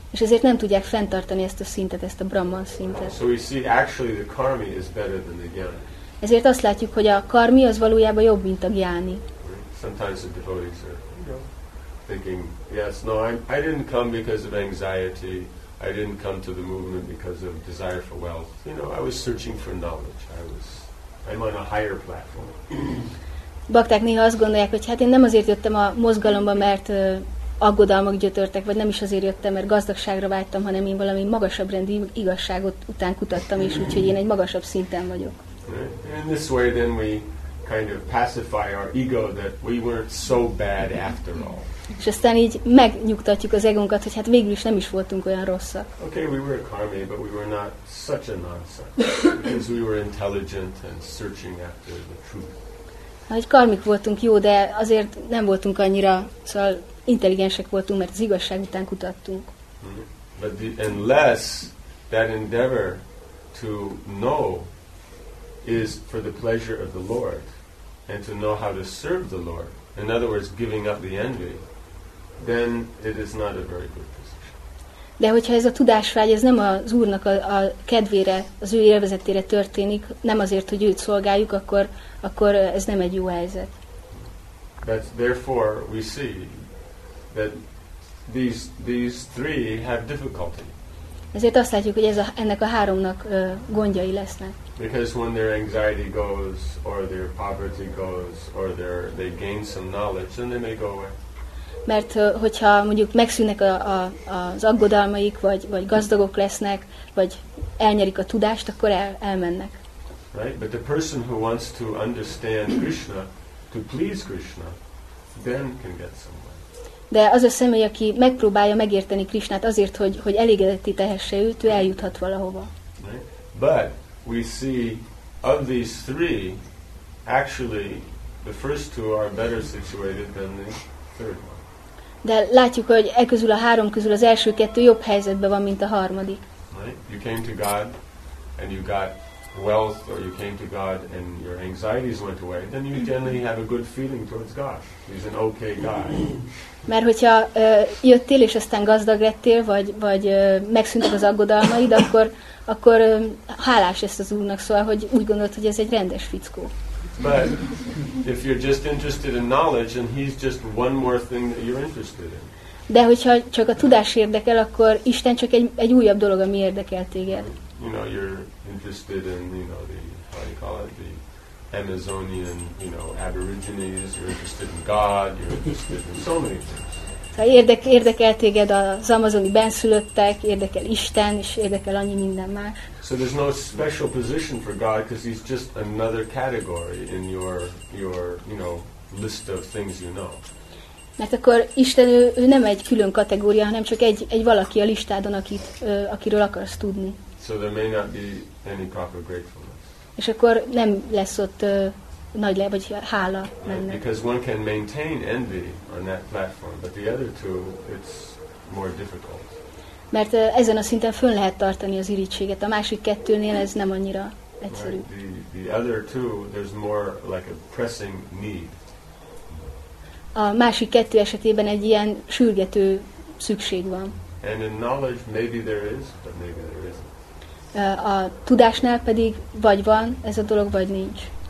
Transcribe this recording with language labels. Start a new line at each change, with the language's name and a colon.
Hungarian: És ezért nem tudják fenntartani ezt a szintet, ezt a Brahman szintet.
English: So we see actually the karmi is better than the jnani.
Hungarian: Ezért azt látjuk, hogy a karmi az valójában jobb, mint a jnani.
English: Sometimes the devotees are thinking, yes, no, I didn't come because of anxiety. I didn't come to the movement because of desire for wealth. You know, I was searching for knowledge. I was I'm on a higher platform.
Hungarian: Bakták néha azt gondolják, hogy hát én nem azért jöttem a mozgalomba, mert aggodalmak gyötörtek, vagy nem is azért jöttem, mert gazdagságra vágytam, hanem én valami magasabb rendű igazságot után kutattam, és úgyhogy én egy magasabb szinten vagyok.
English: In this way then we kind of pacify our ego that we weren't so bad after all.
Hungarian: És aztán így megnyugtatjuk az egónkat, hogy hát végül is nem is voltunk olyan rosszak.
English: Okay, we were a karmi, but we were not such a nonsense, because we were intelligent and searching after the truth.
Hungarian: Hogy karmik voltunk, jó, de azért nem voltunk annyira, szóval intelligensek voltunk, mert az igazság után kutattunk.
English: But the, unless that endeavor to know is for the pleasure of the Lord and to know how to serve the Lord, in other words, giving up the envy, then it is not a very good position.
Hungarian: De hogyha ez a tudásvágy, ez nem az Úrnak a kedvére, az ő élvezetére történik, nem azért, hogy őt szolgáljuk, akkor ez nem egy jó helyzet.
English: That's, therefore we see that these three have difficulty.
Hungarian: Ezért azt látjuk, hogy ennek a háromnak gondjai lesznek.
English: Because when their anxiety goes, or their poverty goes, or they gain some knowledge, then they may go away.
Hungarian: Mert hogyha mondjuk megszűnnek az aggodalmaik, vagy gazdagok lesznek, vagy elnyerik a tudást, akkor elmennek.
English: Right, but the person who wants to understand Krishna, to please Krishna, then can get somewhere.
Hungarian: De az a személy, aki megpróbálja megérteni Krishnát azért, hogy elégedetté tehesse őt, ő eljuthat valahova.
English: Right, but we see of these three, actually the first two are better situated than the third one.
Hungarian: De látjuk, hogy e közül a három közül az első kettő jobb helyzetben van, mint a harmadik.
English: Right, you came to God and you got wealth, or you came to God and your anxieties went away, then you generally have a good feeling towards God. He's an okay guy.
Hungarian: Mert hogyha jöttél és aztán gazdag lettél, vagy megszűntek az aggodalmaid, akkor hálás lesz az Úrnak, szóval, hogy úgy gondolod, hogy ez egy rendes fickó.
English: But if you're just interested in knowledge, and he's just one more thing that you're interested in.
Hungarian: De hogyha csak a tudás érdekel, akkor Isten csak egy újabb dolog, ami érdekel téged.
English: You know, you're interested in, you know, the, how do you call it, the Amazonian, you know, aborigines, you're interested in God, you're interested in so many things.
Hungarian: Ha érdekel téged az amazoni benszülöttek, érdekel Isten, és érdekel annyi minden más.
English: So there's no special position for God, because he's just another category in your, you know, list of things you know.
Hungarian: Mert akkor Isten, ő nem egy külön kategória, hanem csak egy valaki a listádon, akiről akarsz tudni.
English: So there may not be any proper gratefulness.
Hungarian: És akkor nem lesz ott nagy vagy hála benne.
English: Because one can maintain envy on that platform, but the other two, it's more difficult.
Hungarian: Mert ezen a szinten fönn lehet tartani az irigységet, a másik kettőnél ez nem annyira egyszerű.
English: Right. The other two, there's more like a pressing need.
Hungarian: A másik kettő esetében egy ilyen sürgető szükség van.
English: And in knowledge, maybe there is, but maybe there isn't.
Hungarian: A tudásnál pedig vagy van ez a dolog, vagy nincs.